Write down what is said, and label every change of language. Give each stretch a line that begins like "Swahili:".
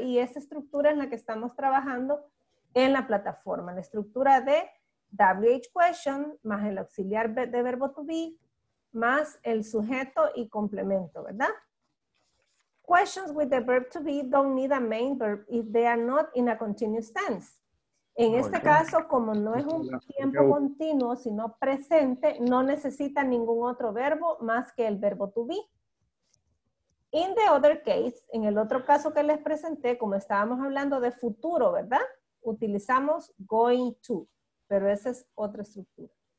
Spanish: Y esa estructura en la que estamos trabajando en la plataforma, la estructura de WH question más el auxiliar de verbo to be más el sujeto y complemento, ¿verdad?
English: Questions with the verb to be don't need a main verb if they are not in a continuous tense.
Spanish: En este caso, como no es un tiempo continuo, sino presente, no necesita ningún otro verbo más que el verbo to be.
English: In the other case,
Spanish: en el otro caso que les presenté, como estábamos hablando de futuro, ¿verdad? Utilizamos going to, pero esa es otra estructura.